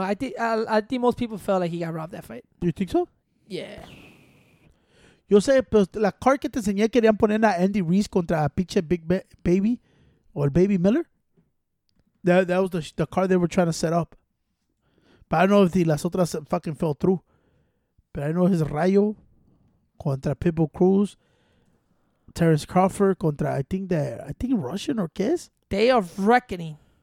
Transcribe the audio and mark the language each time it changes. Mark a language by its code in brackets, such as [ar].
[en] I think most people felt like he got robbed that fight. Do you think so? Yeah. [es] Yo sé, pero la card que te enseñé querían poner a Andy Ruiz contra a pinche Big Baby o el Baby Miller. [en] That was the card they were trying to set up. But I don't know if [es] las otras [en] fucking fell through. But I know his Rayo contra Pitbull Cruz, Terrence Crawford contra, I think Russian or Kiss. Day of Reckoning.